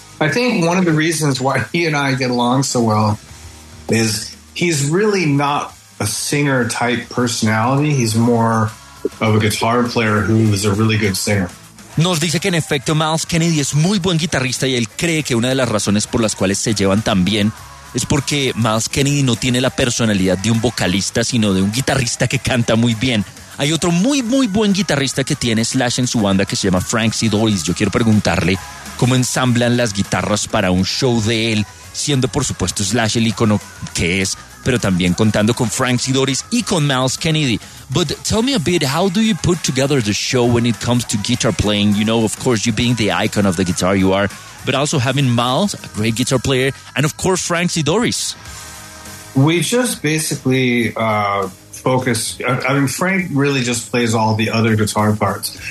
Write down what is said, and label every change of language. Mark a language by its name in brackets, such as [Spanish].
[English] I think one of the reasons why he and I get along so well is he's really not a singer type personality. He's more of a guitar player who is a really good singer. [Spanish] Nos dice que en efecto Miles Kennedy es muy buen guitarrista y él cree que una de las razones por las cuales se llevan tan bien es porque Miles Kennedy no tiene la personalidad de un vocalista, sino de un guitarrista que canta muy bien. Hay otro muy, muy buen guitarrista que tiene Slash en su banda que se llama Frank Sidoris. Yo quiero preguntarle cómo ensamblan las guitarras para un show de él, siendo, por supuesto, Slash el icono que es, pero también contando con Frank Sidoris y con Miles Kennedy. [English] But tell me a bit, how do you put together the show when it comes to guitar playing? You know, of course, you being the icon of the guitar you are, but also having Miles, a great guitar player, and of course, Frank Sidoris. We just basically... focus. I mean, Frank really just plays all the other guitar parts.